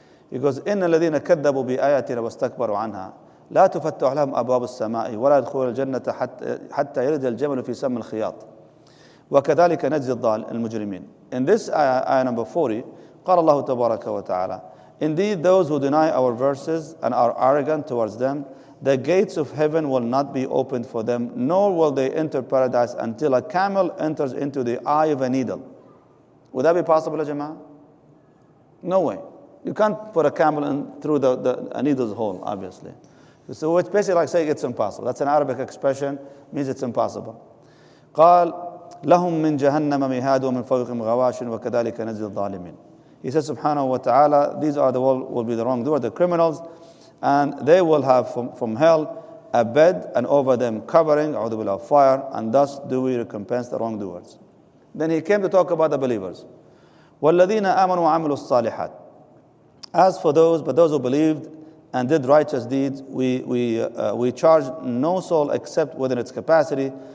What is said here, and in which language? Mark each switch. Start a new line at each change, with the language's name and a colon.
English: He goes,
Arabic: إِنَّ الَّذِينَ كَذَّبُوا بِآيَاتِنَا وَاسْتَكْبَرُوا عَنْهَا لَا تُفَتَّحُ لَهُمْ أَبْوَابُ السَّمَاءِ وَلَا يَدْخُلُونَ الْجَنَّةَ حَتَّى يَلِجَ الْجَمَلُ فِي سَمِّ الْخِيَاطِ وَكَذَلِكَ نَجْزِي الْمُجْرِمِينَ.
English: In this ayah number 40,
Arabic: قَالَ اللَّهُ تَبَارَكَ وَتَعَالَى,
English: indeed, those who deny our verses and are arrogant towards them, the gates of heaven will not be opened for them, nor will they enter paradise until a camel enters into the eye of a needle. Would that be possible, Jama'ah? No way. You can't put a camel in through a needle's hole, obviously. So it's basically like saying it's impossible. That's an Arabic expression, means it's impossible.
Arabic: قال لهم من جهنم مهاد ومن فوقهم غواش وكذلك نجزي الظالمين.
English: He says, subhanahu wa ta'ala, these are the world will be the wrongdoers, the criminals, and they will have from hell a bed and over them covering of fire, and thus do we recompense the wrongdoers. Then he came to talk about the believers.
Arabic: وَالَّذِينَ آمَنُوا وَعَمِلُوا الصَّالِحَاتِ
English: As for those, but those who believed and did righteous deeds, we charge no soul except within its capacity.